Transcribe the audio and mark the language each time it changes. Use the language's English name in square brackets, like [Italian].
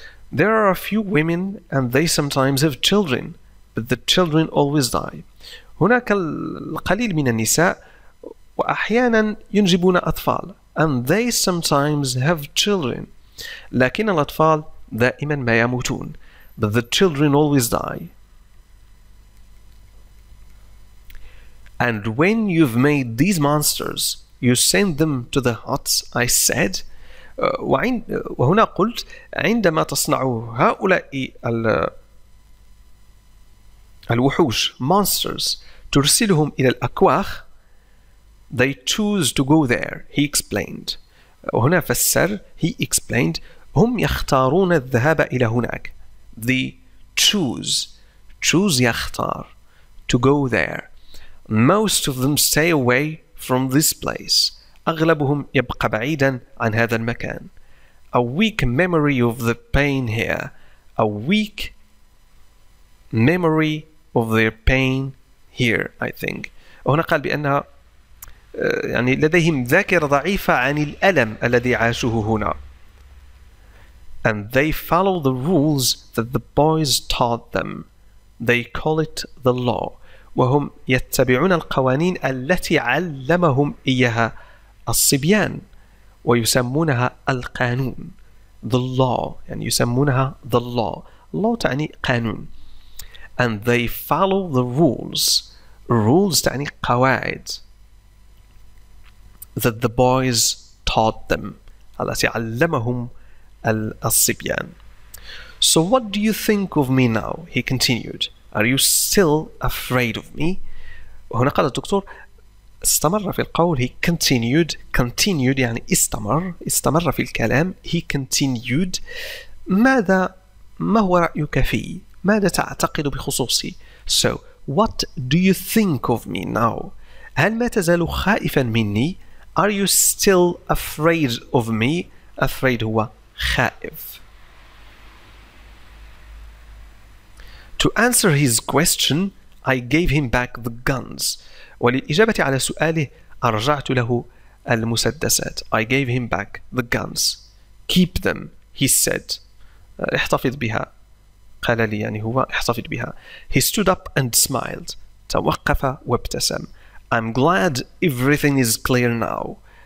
[English] There are a few women and they sometimes have children. But the children always die. [Arabic] هناك القليل من النساء وأحيانا ينجبون أطفال. [English] And they sometimes have children. [Arabic] لكن الأطفال دائما ما يموتون. [English] But the children always die. And when you've made these monsters, you send them to the huts, I said. [Arabic] وهنا قلت عندما تصنع هؤلاء الوحوش [English] monsters [Arabic] ترسلهم إلى الأكواخ. [English] They choose to go there, he explained. [Arabic] وهنا فسر, [English] he explained, [Arabic] هم يختارون الذهاب إلى هناك. [English] They choose, choose [Arabic] يختار, [English] to go there. Most of them stay away from this place. [Arabic] أغلبهم يبقى بعيدا عن هذا المكان. [English] A weak memory of the pain here. A weak memory of their pain here, I think. [Arabic] وهنا قال بأنها يعني لديهم ذاكرة ضعيفة عن الألم الذي عاشوه هنا. [English] And they follow the rules that the boys taught them. They call it the law. [Arabic] وهم يتبعون القوانين التي علمهم إياها الصبيان ويسمونها القانون. [English] The law, [Arabic] يعني يسمونها [English] the law. Law [Arabic] تعني قانون. [English] And they follow the rules. Rules [Arabic] تعني قواعد. [English] That the boys taught them. [Arabic] التي علمهم الصبيان. [English] So what do you think of me now? He continued. Are you still afraid of me? [Arabic] هنا قال الدكتور استمر في القول. [English] He continued. [Arabic] Continued يعني استمر. استمر في الكلام. [English] He continued. [Arabic] ماذا ما هو رأيك فيه؟ ماذا تعتقد بخصوصي؟ [English] So what do you think of me now? [Arabic] هل ما تزال خائفا مني؟ [English] Are you still afraid of me? [Arabic] Afraid هو خائف. [English] To answer his question, I gave him back the guns. [Arabic] وللإجابة على سؤاله أرجعت له المسدسات. [English] I gave him back the guns. Keep them, he said. [Arabic] احتفظ بها. قال لي يعني هو احتفظ بها. [English] He stood up and smiled. [Arabic] توقف وابتسم. [English] I'm glad everything is clear now.